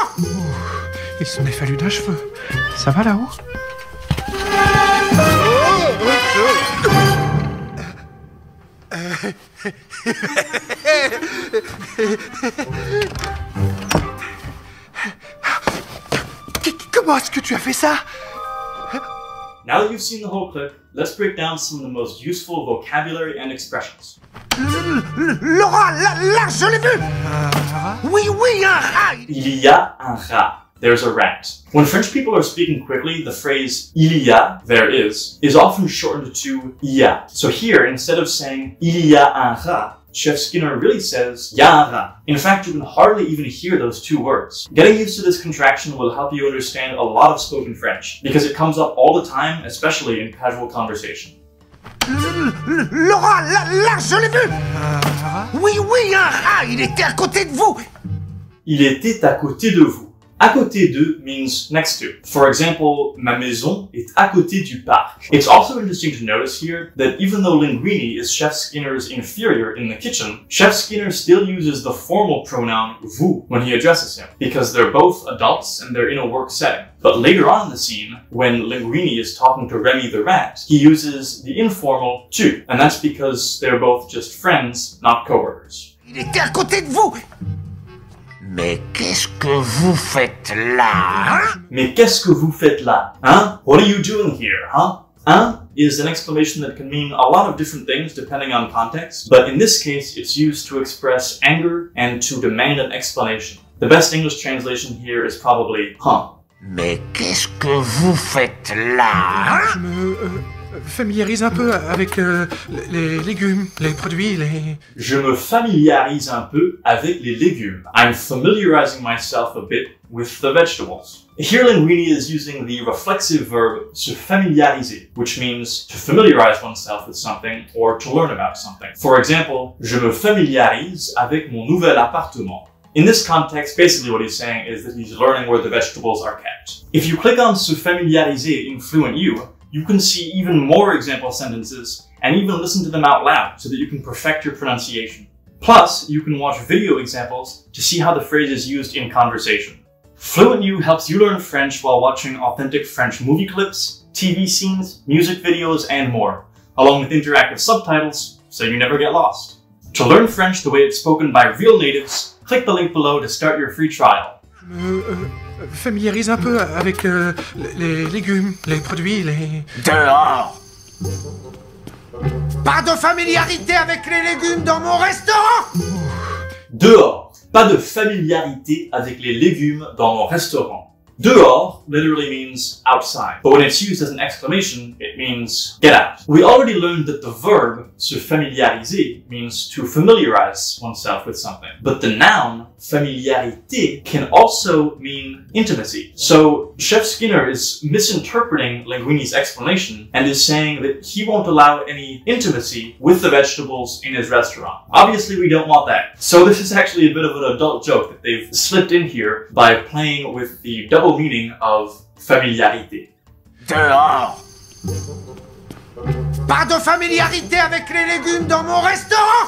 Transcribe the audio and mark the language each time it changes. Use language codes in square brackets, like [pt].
[fr] Ouh, il se m'est fallu d'un cheveu. Ça va là-haut? Comment est-ce que tu as fait ça? [en] Now that you've seen the whole clip, let's break down some of the most useful vocabulary and expressions. [fr] Laura, là, je l'ai vu! Oui, oui, un rat! Il y a un rat. [en] There's a rat. When French people are speaking quickly, the phrase [fr] il y a, [en] there is often shortened to il y a. So here, instead of saying [fr] il y a un rat, [en] Chef Skinner really says il y a un rat. In fact, you can hardly even hear those two words. Getting used to this contraction will help you understand a lot of spoken French, because it comes up all the time, especially in casual conversation. [fr] Laura, là, je l'ai vu! Oui, oui, un rat, il était à côté de vous! Il était à côté de vous. À côté de [en] means next to. For example, [fr] ma maison est à côté du parc. [en] It's also interesting to notice here that even though Linguini is Chef Skinner's inferior in the kitchen, Chef Skinner still uses the formal pronoun vous when he addresses him, because they're both adults and they're in a work setting. But later on in the scene, when Linguini is talking to Remy the rat, he uses the informal tu, and that's because they're both just friends, not co-workers. [fr] Il était à côté de vous! Mais qu'est-ce que vous faites là, hein? Mais qu'est-ce que vous faites là, hein? [en] What are you doing here, huh? Hein is an exclamation that can mean a lot of different things depending on context, but in this case, it's used to express anger and to demand an explanation. The best English translation here is probably, huh? [fr] Mais qu'est-ce que vous faites là, hein? Je me familiarise un peu avec les légumes, les produits, les... Je me familiarise un peu avec les légumes. [en] I'm familiarizing myself a bit with the vegetables. Here Linguini is using the reflexive verb se familiariser, which means to familiarize oneself with something or to learn about something. For example, [fr] je me familiarise avec mon nouvel appartement. [en] In this context, basically what he's saying is that he's learning where the vegetables are kept. If you click on se familiariser in FluentU, you can see even more example sentences and even listen to them out loud so that you can perfect your pronunciation. Plus, you can watch video examples to see how the phrase is used in conversation. FluentU helps you learn French while watching authentic French movie clips, TV scenes, music videos, and more, along with interactive subtitles so you never get lost. To learn French the way it's spoken by real natives, click the link below to start your free trial. [fr] Familiarise un peu avec les légumes, les produits, les... Dehors! Pas de familiarité avec les légumes dans mon restaurant! Dehors! Pas de familiarité avec les légumes dans mon restaurant. [en] Dehors literally means outside, but when it's used as an exclamation, it means get out. We already learned that the verb se familiariser means to familiarize oneself with something, but the noun familiarité can also mean intimacy. So Chef Skinner is misinterpreting Linguini's explanation and is saying that he won't allow any intimacy with the vegetables in his restaurant. Obviously, we don't want that. So this is actually a bit of an adult joke that they've slipped in here by playing with the double meaning of familiarité. [fr] Dehors! Pas de familiarité avec les légumes dans mon restaurant!